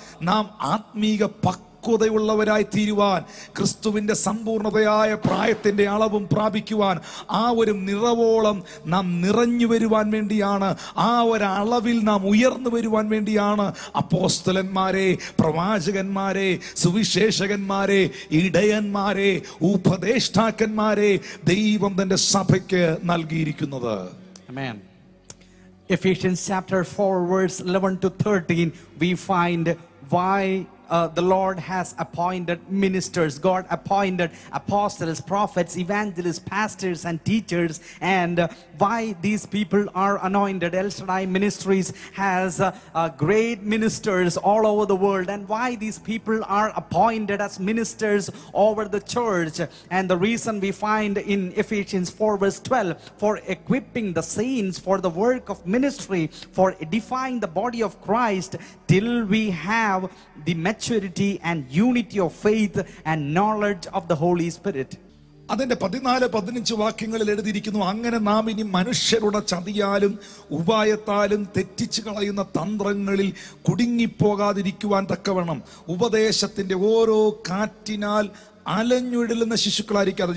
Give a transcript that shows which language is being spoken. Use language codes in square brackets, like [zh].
[ml] നാം ആത്മീക പക്വതയുള്ളവരായി തീരുവാൻ, ക്രിസ്തുവിന്റെ സമ്പൂർണതയായ പ്രായത്തിന്റെ അളവും പ്രാപിക്കുവാൻ, ആ ഒരു നിറവോളം നാം നിറഞ്ഞു വരുവാൻ വേണ്ടിയാണ്, ആ ഒരു അളവിൽ നാം ഉയർന്നു വരുവാൻ വേണ്ടിയാണ് അപ്പോസ്തലന്മാരെ, പ്രവാചകന്മാരെ, സുവിശേഷകന്മാരെ, ഇടയന്മാരെ, ഉപദേഷ്ടാക്കന്മാരെ ദൈവം തന്റെ സഭയ്ക്ക് നൽകിയിരിക്കുന്നത്. ആമേൻ. [en] Ephesians chapter 4 verse 11 to 13 we find why the Lord has appointed ministers. God appointed apostles, prophets, evangelists, pastors and teachers, and why these people are anointed. El Shaddai Ministries has great ministers all over the world, and why these people are appointed as ministers over the church. And the reason we find in Ephesians 4 verse 12, for equipping the saints for the work of ministry, for edifying the body of Christ, till we have the maturity and unity of faith and knowledge of the Holy Spirit. [ml] അതിന്റെ 14-15 വാക്യങ്ങളിൽ എഴുതിയിരിക്കുന്നു, അങ്ങനെ നാം ഇനി മനുഷ്യരുടെ ചതിയാലും ഉപായത്താലും തെറ്റിച്ചു കളയുന്ന തന്ത്രങ്ങളിൽ കുടുങ്ങിപ്പോകാതിരിക്കുവാൻ തക്കവണ്ണം ഉപദേശത്തിന്റെ ഓരോ കാറ്റിനാൽ അലഞ്ഞൊഴിലുന്ന ശിശുക്കളായിരിക്കാതെ.